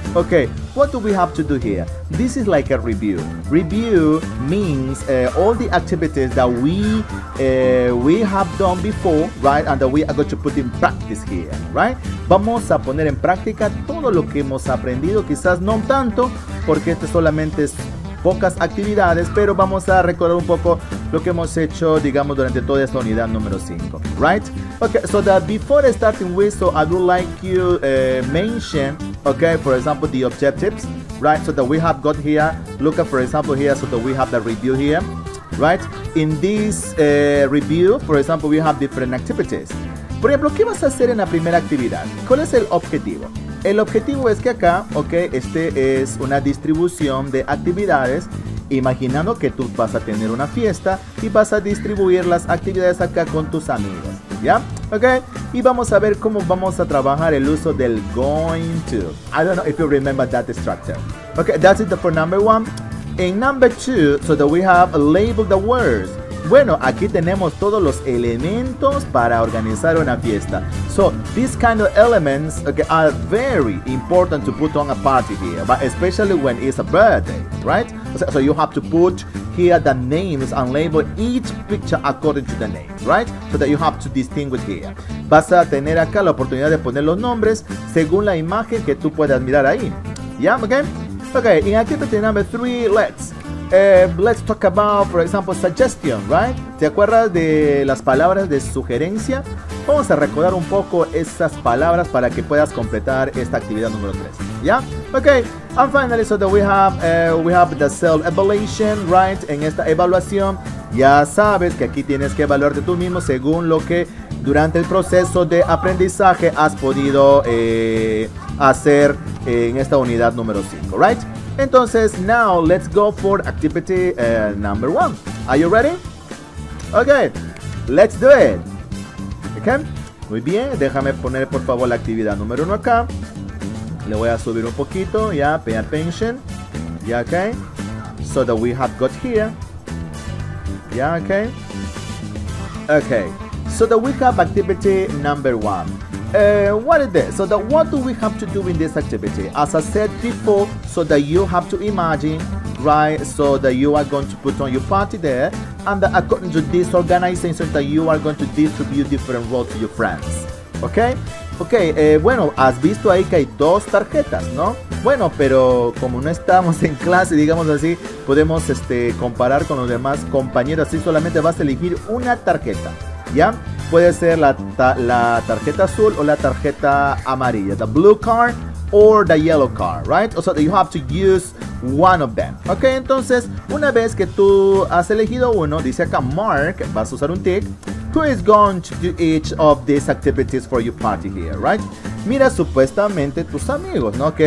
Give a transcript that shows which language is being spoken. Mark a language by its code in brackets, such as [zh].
[en] Okay, what do we have to do here? This is like a review. Review means all the activities that we have done before, right? And that we are going to put in practice here, right? [es] Vamos a poner en práctica todo lo que hemos aprendido, quizás no tanto, porque este solamente es pocas actividades, pero vamos a recordar un poco lo que hemos hecho, digamos, durante toda esta unidad número 5, right? [en] Okay, so that before starting with, so I would like you mention, okay, for example, the objectives, right? So that we have got here, look at, for example, here, so that we have the review here, right? In this review, for example, we have different activities. [es] Por ejemplo, ¿qué vas a hacer en la primera actividad? ¿Cuál es el objetivo? El objetivo es que acá, ok, este es una distribución de actividades, imaginando que tú vas a tener una fiesta y vas a distribuir las actividades acá con tus amigos, ¿ya? Ok, y vamos a ver cómo vamos a trabajar el uso del going to. [en] I don't know if you remember that structure. Ok, that's it for number one. In number two, so that we have labeled the words. [es] Bueno, aquí tenemos todos los elementos para organizar una fiesta. [en] So, these kind of elements, okay, are very important to put on a party here, but especially when it's a birthday, right? So you have to put here the names and label each picture according to the name, right? So that you have to distinguish here. [es] Vas a tener acá la oportunidad de poner los nombres según la imagen que tú puedas mirar ahí. [en] Yeah, okay? Okay, in activity number three, let's talk about, for example, suggestion, right? [es] ¿Te acuerdas de las palabras de sugerencia? Vamos a recordar un poco esas palabras para que puedas completar esta actividad número 3, ¿ya? [en] Okay, and finally, so that we have the self-evaluation, right? [es] En esta evaluación, ya sabes que aquí tienes que evaluarte tú mismo según lo que durante el proceso de aprendizaje has podido hacer en esta unidad número 5, right? [en] Entonces, now let's go for activity number 1. Are you ready? Okay, let's do it. Okay, [es] muy bien. Déjame poner, por favor, la actividad número 1 acá. Le voy a subir un poquito, ya, [en] yeah, pay attention. Yeah, okay. So that we have got here. Yeah, okay. Okay, so that we have activity number 1. What is this? So that what do we have to do in this activity? As I said before, so that you have to imagine, right? So that you are going to put on your party there, and that according to this organization that you are going to distribute different roles to your friends. Okay? [es] Okay, bueno, has visto ahí que hay dos tarjetas, ¿no? Bueno, pero como no estamos en clase, digamos así, podemos comparar con los demás compañeros. Así solamente vas a elegir una tarjeta, ¿ya? Puede ser la tarjeta azul o la tarjeta amarilla. [en] The blue card or the yellow card, right? So you have to use one of them. [es] Ok, entonces, una vez que tú has elegido uno, dice acá Mark, vas a usar un tick. [en] Who is going to do each of these activities for your party here, right? [es] Mira, supuestamente tus amigos, ¿no?